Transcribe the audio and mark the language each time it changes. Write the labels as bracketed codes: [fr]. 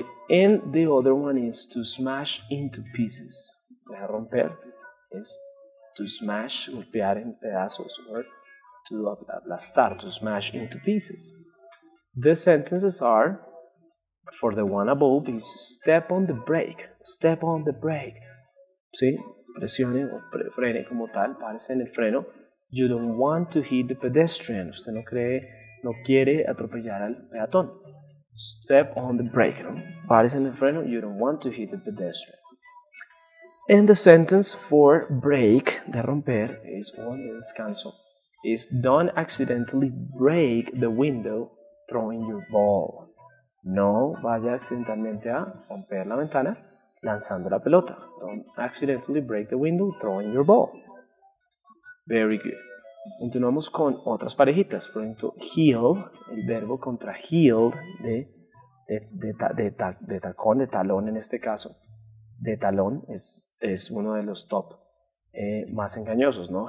[en] And the other one is to smash into pieces. [es] Para romper es [en] to smash, [es] golpear en pedazos, [en] or to aplastar, to smash into pieces. The sentences are, for the one above, is step on the brake. Step on the brake. Sí, presione o frene como tal, párese en el freno. You don't want to hit the pedestrian. [es] Usted no cree, no quiere atropellar al peatón. [en] Step on the brake, [es] ¿no? Párese en el freno. [en] You don't want to hit the pedestrian. And the sentence for break, [es] de romper, [en] is one [es] de descanso. [en] Is don't accidentally break the window throwing your ball. [es] No vaya accidentalmente a romper la ventana lanzando la pelota. [en] Don't accidentally break the window throwing your ball. Very good. [es] Continuamos con otras parejitas. Por ejemplo, heel, el verbo contra heel de tacón, de talón en este caso. De talón es uno de los top más engañosos, ¿no?